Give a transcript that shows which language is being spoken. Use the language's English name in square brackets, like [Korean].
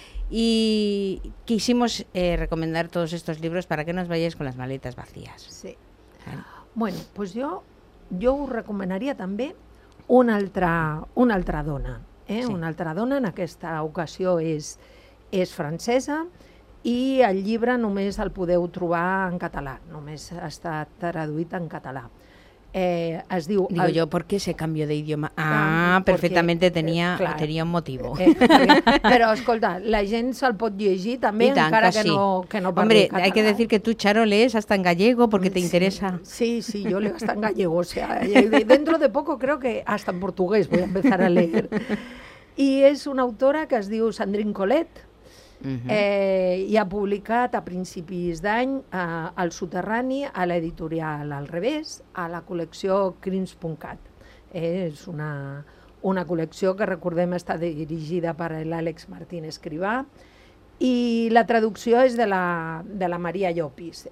[Spanish] Y quisimos recomendar todos estos libros para que no os vayáis con las maletas vacías. Sí. Bueno, pues yo os recomendaría también [Catalan] una altra dona. [Spanish] Sí. [Catalan] Una altra dona, en aquesta ocasió és francesa, i el llibre només el podeu trobar en català, només està traduït en català. Es diu... [Spanish] Digo yo, ¿por qué ese cambio de idioma? Perfectamente, tenía un motivo. [Catalan] Però, escolta, la gent se'l pot llegir també, tant, encara que no parli català. [Spanish] Hombre, hay que decir que tú, Charo, lees hasta en gallego, porque te interesa. Sí, yo leo hasta en gallego, o sea, dentro de poco creo que hasta en portugués voy a empezar a leer. [Catalan] I és una autora que es diu Sandrine Collet, i ha publicat a principis d'any al Soterrani, a l'editorial Al Revés, a la col·lecció crims.cat. És una col·lecció que, recordem, està dirigida per l'Àlex Martín Escrivà, i la traducció és de la Maria Llopis.